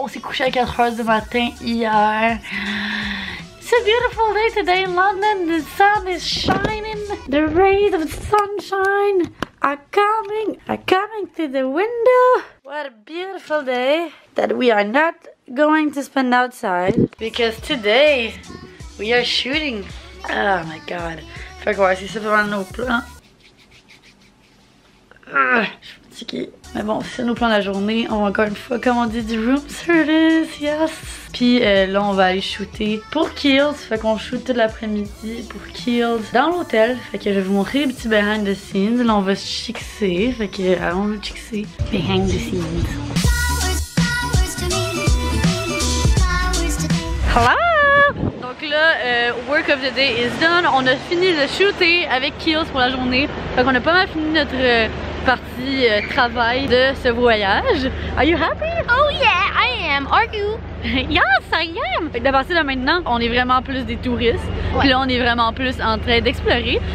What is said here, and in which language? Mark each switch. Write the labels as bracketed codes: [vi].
[fr] On s'est couché à 4h du matin hier. [en] It's a beautiful day today in London. The sun is shining. The rays of sunshine are coming through the window. What a beautiful day that we are not going to spend outside, because today we are shooting. Oh my god. [fr] Fait que voici, c'est vraiment nos plans. Je suis fatiguée. Mais bon, c'est nos plans de la journée. On va encore une fois commander du room service. [en] Yes. [fr] Puis là, on va aller shooter pour Kills. Fait qu'on shoot toute l'après-midi pour Kills dans l'hôtel. Fait que je vais vous montrer les petits behind the scenes. Là, on va se chixer. Fait que allons nous chixer. [en] Behind the scenes. Hello! [fr] Donc là, [en] work of the day is done. [fr] On a fini de shooter avec Kills pour la journée. Fait qu'on a pas mal fini notre partie travail de ce voyage. [en] Are you happy? Oh yeah, I am. Are you? Yes, I am. [fr] De partir de maintenant, on est vraiment plus des touristes. Ouais. Puis là, on est vraiment plus en train d'explorer.